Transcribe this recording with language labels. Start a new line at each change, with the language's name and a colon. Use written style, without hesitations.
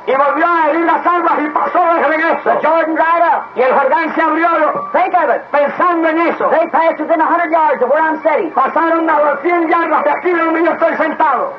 Spanish: Y volvió a herir las aguas y pasó de regreso.
English: The Jordan dried up.
Spanish: Y el jardín se abrió.
English: Think of it.
Spanish: Pensando en eso.
English: They passed within 100 yards of where I'm sitting.
Spanish: Pasaron a los 100 yardas de aquí donde yo estoy sentado.